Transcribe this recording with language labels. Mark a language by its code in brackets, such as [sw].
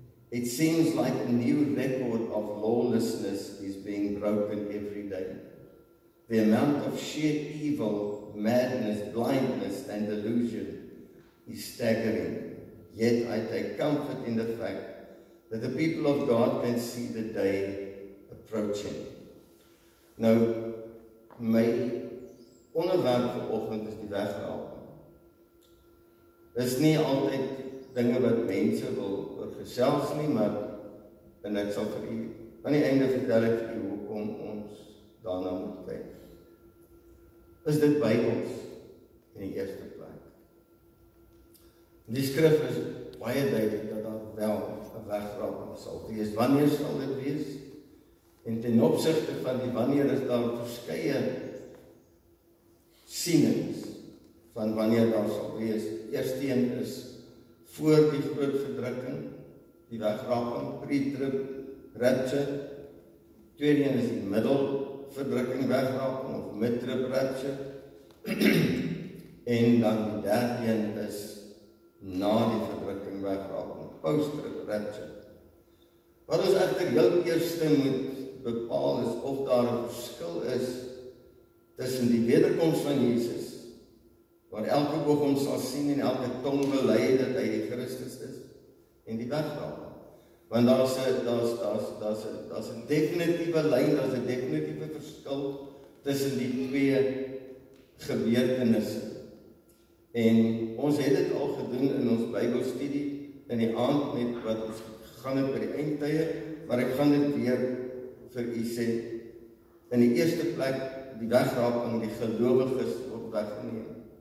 [en] It seems like a new record of lawlessness is being broken every day. The amount of sheer evil, madness, blindness, and delusion is staggering. Yet I take comfort in the fact that the people of God can see the day approaching. [af] Nou, my onderwerp vir oggend is die wegraap. Is nie altyd dinge wat mense wil gesels nie, maar en ek sal vir u aan die einde vertel ek vir u hoekom ons daarna moet kyk. Is dit Bybels in die eerste plek? Die skrif is baie duidelik dat daar wel 'n wegraap sal wees. Wanneer sal dit wees? En ten opsigte van die wanneer is daar verskeie sienings van wanneer daar sal wees. Eerste een is voor die groot verdrukking, die wegraping, pre-trib, rapture. Tweede een is die middelverdrukking, wegraping, of mid-trib, rapture. En dan die derde een is na die verdrukking, wegraping, post-trib, rapture. Wat ons echter heel eerste moet bepaal is of daar een verskil is tussen die wederkomst van Jesus, waar elke oog ons sal sien en elke tong bely dat hy die Christus is, en die wegraap. Want daar is een definitieve lyn, daar is een definitieve verskil tussen die twee gebeurtenisse. En ons het dit al gedoen in ons Bybelstudie in die aand met wat ons gaan het by die eindtye, maar ek gaan dit weer vir u sê, in die eerste plek die wegraap aan die gelowiges word weggeneem.